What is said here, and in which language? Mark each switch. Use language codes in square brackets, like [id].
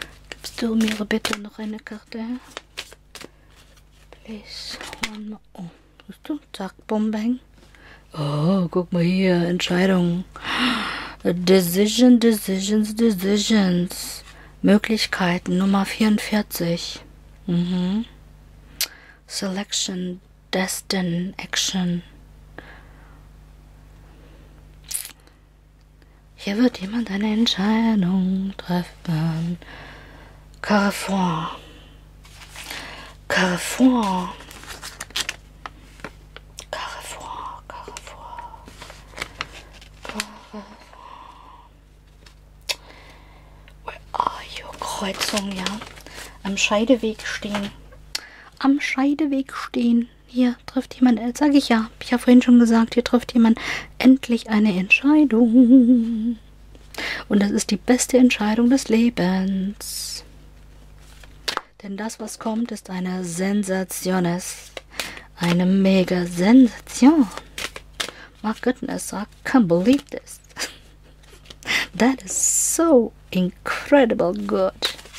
[de] Gibst du mir bitte noch eine Karte? [en] Please, one more. [de] Oh, bist du? Zack, bum, bang. Oh, guck mal hier, Entscheidung. [en] Decision, decisions, decisions. [de] Möglichkeiten Nummer 44. [en] Selection, destin, action. [de] Hier wird jemand eine Entscheidung treffen. [fr] Carrefour. Carrefour. [de] Kreuzung, ja. Am Scheideweg stehen. Am Scheideweg stehen. Hier trifft jemand, sag ich ja. Ich habe vorhin schon gesagt, hier trifft jemand endlich eine Entscheidung. Und das ist die beste Entscheidung des Lebens. Denn das, was kommt, ist eine Sensation. Eine mega Sensation. [en] My goodness, I can't believe this. That is so incredible good.